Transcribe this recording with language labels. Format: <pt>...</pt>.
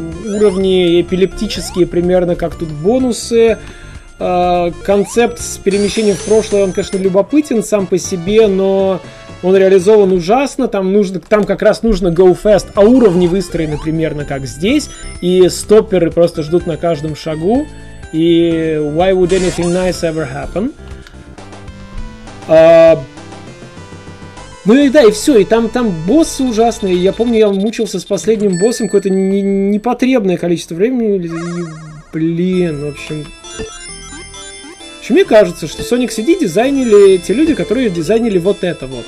<ru>Уровни эпилептические примерно, как тут бонусы. Концепт с перемещением в прошлое, он, конечно, любопытен сам по себе, но он реализован ужасно. Там как раз нужно</ru> <en>go fast,</en> <ru>а уровни выстроены примерно как здесь. И стопперы просто ждут на каждом шагу.</ru> <en>И why would anything nice ever happen?</en> <ru>И все, и там боссы ужасные. Я помню, я мучился с последним боссом какое-то непотребное количество времени. Блин, в общем, мне кажется, что Sonic CD дизайнили те люди, которые дизайнили вот это вот.</ru>